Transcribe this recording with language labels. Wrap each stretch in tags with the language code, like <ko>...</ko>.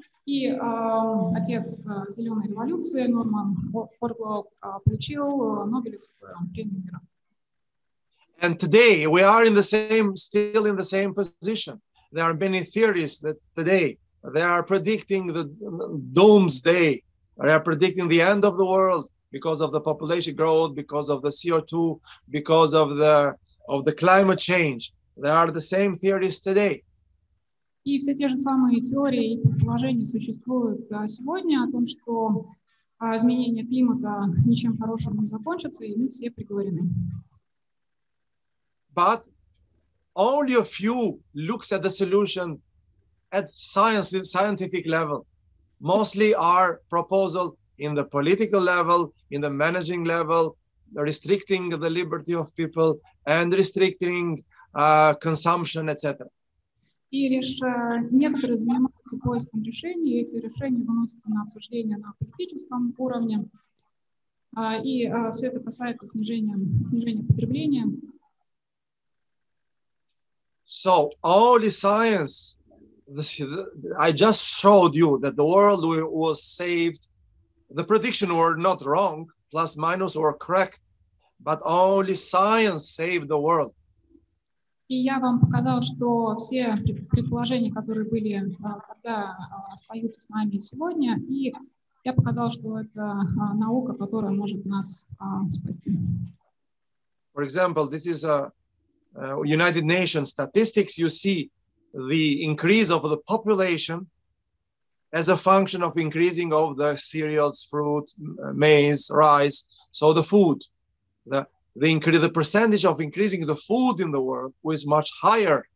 <ru>И отец зеленой революции, Норман Орвелл, получил Нобелевскую премию мира.</ru> <en>And today we are still in the same position. There are many theories that today they are predicting the doomsday. They are predicting the end of the world because of the population growth, because of the CO2, because of the climate change. They are the same theories today.</en> <ru>И все те же самые теории и предположения существуют сегодня о том, что изменение климата ничем хорошим не закончится, и мы все приговорены.</ru> <en>But only a few looks at the solution at science, scientific level. Mostly our proposal in the political level, in the managing level, restricting the liberty of people and restricting consumption, etc.</en> <ru>И лишь некоторые занимаются поиском решений, эти решения выносятся на обсуждение на политическом уровне, и все это касается снижения потребления.</ru> <en>So only science. I just showed you that the world was saved. The predictions were not wrong, plus minus were correct, but only science saved the world.</en> <ru>И я вам показал, что все предположения, которые были тогда, остаются с нами сегодня, и я показал, что это наука, которая может нас спасти.</ru> <en>For example, this is a United Nations statistics. You see the increase of the population as a function of increasing of the cereals, fruit, maize, rice, so the food. The percentage of increasing the food in the world was much higher</en>